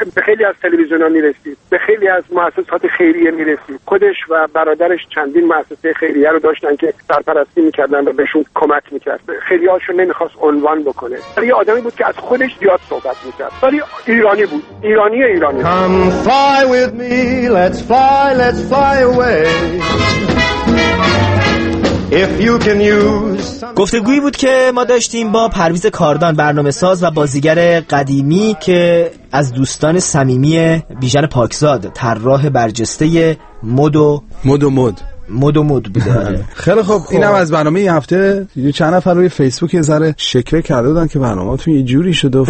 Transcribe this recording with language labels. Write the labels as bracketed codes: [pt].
[fa] به خیلی از تلویزیونا میرسید، به خیلی از مؤسسات خیریه میرسید. خودش و برادرش چندین مؤسسه خیریه رو داشتن که سرپرستی میکردن و بهشون کمک میکرد. خیلی هاشون نمیخواست عنوان بکنه. ولی آدمی بود که از خودش زیاد صحبت میکرد، ولی ایرانی بود، ایرانی ایرانی. [en] Come fly with me, let's fly, let's fly away. If you can use... [fa] گفتگویی بود که ما داشتیم با پرویز کاردان، برنامه ساز و بازیگر قدیمی که از دوستان صمیمی بیژن پاکزاد، طراح برجسته مد و مد بوده. خیلی خوب، اینم از برنامه این هفته. چند نفر روی فیسبوک یه ذره شکوه کرده بودن که برنامه‌تون یه جوری شد و